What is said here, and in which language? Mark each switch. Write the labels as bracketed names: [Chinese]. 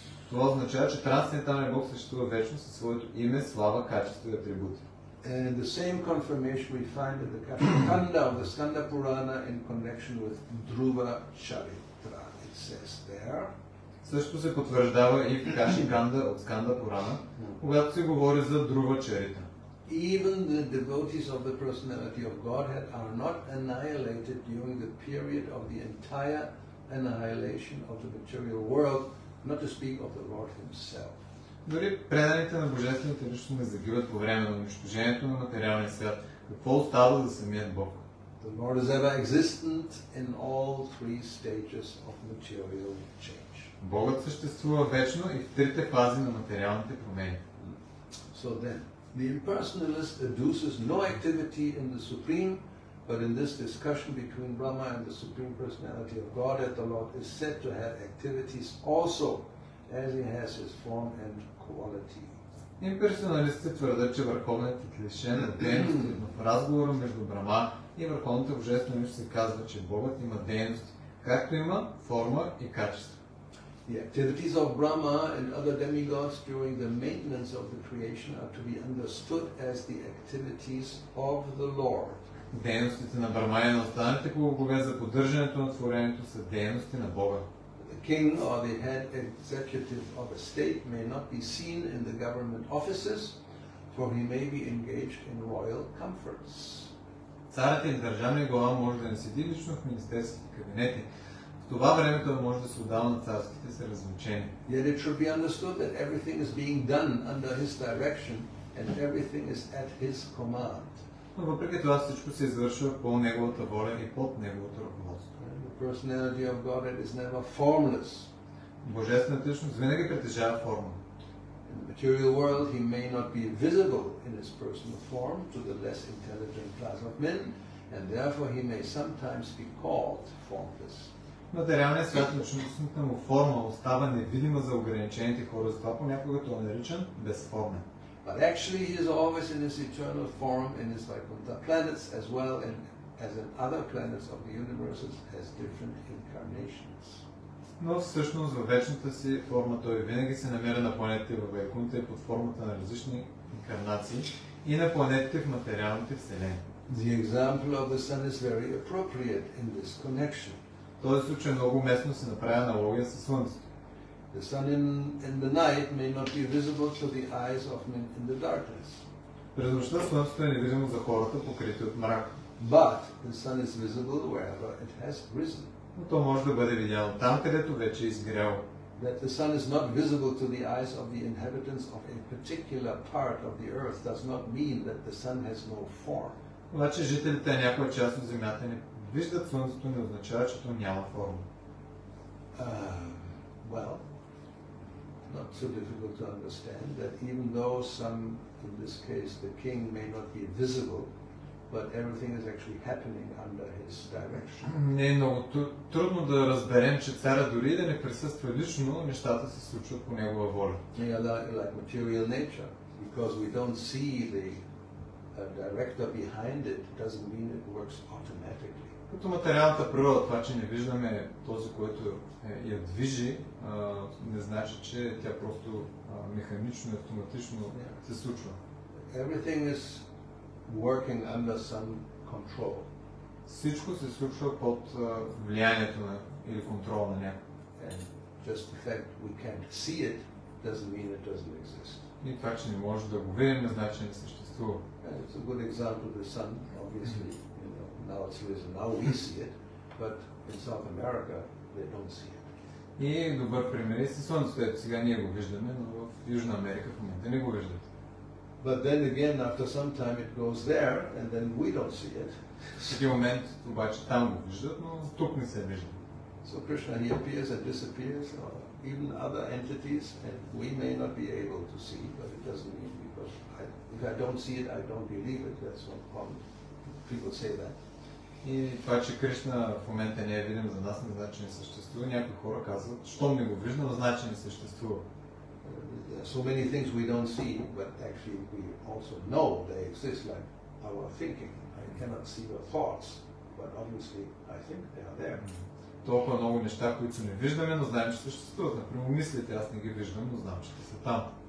[Bulgarian] Това означава, че трансценденталният Бог съществува вечно със своето име, слава, качество и атрибути. [English] And the same confirmation we find in the Kanda of the Skanda Purana in connection with Dhruva Charitra. It says there. [Bulgarian] Също се потвърждава и в Кашиканда от Скандра Пурана, когато се говори за Друва Чарита. [English] Even the devotees of the personality of Godhead are not annihilated during the period of the entire annihilation of the material world, not to speak of the Lord himself. [Bulgarian] Дори преданите на Божествената личност не загиват по време на унищожението на материалния свят. Какво остава за самият Бог? [English] The Lord is ever existent in all three stages of material change. [Bulgarian] Богът съществува вечно и в трите фази на материалните промени. [English] So then, the impersonalist adduces no activity in the Supreme, but in this discussion between Brahma and the Supreme Personality of God, the Lord is said to have activities also as he has his form and quality. [Bulgarian] Имперсоналистите твърдят, че върховният и клишен на дейност е в разговора между Брама и върховната божествена личност се казва, че Богът има дейност, както има форма и качество. [English] The activities of Brahma and other demigods during the maintenance of the creation are to be understood as the activities of the Lord. [Bulgarian] Дейностите на Брама и на останалите богове за поддържането на творението са дейности на Бога. [English] King or the head executive of a state may not be seen in the government offices, for he may be engaged in royal comforts. [Bulgarian] Царят или държавният глава може да не седи лично в министерските кабинети. В това време той може да се отдава на царските се развлечения. [English] Yet it should be understood that everything is being done under his direction and everything is at his command. [Bulgarian] Но въпреки това всичко се извършва по неговата воля и под неговото ръководство. [English] Personality of Godhead is never formless. [Bulgarian] Божествената личност винаги притежава форма. [English] In the material world he may not be visible in his personal form to the less intelligent class of men, and therefore he may sometimes be called formless. [Bulgarian] Материалният свят, личностната му форма остава невидима за ограничените хора, затова понякога той е наричан безформен. [English] But actually he is always in his eternal form in his Vaikuntha planets as well and as in other planets of the universes has different incarnations. [Bulgarian] Но всъщност във вечната си форма той винаги се намира на планетите във Вайкунта под формата на различни инкарнации и на планетите в материалните вселени. [English] The example of the sun is very appropriate in this connection. [Bulgarian] Този случай много уместно се направи аналогия със Слънцето. [English] The sun in the night may not be visible to the eyes of men in the darkness. [Bulgarian] През нощта Слънцето е невидимо за хората, покрити от мрак. [English] But the sun is visible wherever it has risen. [Bulgarian] Но то може да бъде видяло там, където вече е изгряло. [English] That the sun is not visible to the eyes of the inhabitants of a particular part of the earth does not mean that the sun has no form. [Bulgarian] Значи жителите на някоя част от земята не виждат слънцето, не означава, че то няма форма. [English] Well, not so difficult to understand that even though some, in this case, the king may not be visible, but everything is actually happening under his direction. [Bulgarian] Не е много трудно да разберем, че царя дори да не присъства лично, нещата се случват по негова воля. [English] Like material nature, because we don't see the director behind it, doesn't mean it works automatically. [Bulgarian] Като материалната природа, това, че не виждаме този, който я движи, не значи, че тя просто механично и автоматично се случва. [English] Everything is working under some control. [Bulgarian] Всичко се случва под влиянието на или контрол на някой. [English] And just the fact we can't see it doesn't mean it doesn't exist. [Bulgarian] И това, че не може да го видим, не значи, че не съществува. [English] And it's a good example of the sun, obviously. You know, now it's risen, now we see it, but in South America they don't see it. [Bulgarian] И добър пример е слънцето, ето сега ние го виждаме, но в Южна Америка в момента не го виждате. [English] But then again, after some time, it goes there, and then we don't see it. [Bulgarian] Всеки момент, обаче, там го виждат, но тук не се виждат. [English] So Krishna, he appears and disappears, or even other entities, and we may not be able to see, but it doesn't mean, because if I don't see it, I don't believe it. That's one problem. People say that. [Bulgarian] И това, че Кришна в момента не е видим за нас, не значи, че не съществува. Някои хора казват, щом не го виждам, значи, че не съществува. [English] so many things we don't see, but actually we also know they exist, like our thinking. I cannot see the thoughts, but obviously I think they are there. [Bulgarian] Толкова много неща, които не виждаме, но знаем, че съществуват. Например, мислите, аз не ги виждам, но знам, че са там.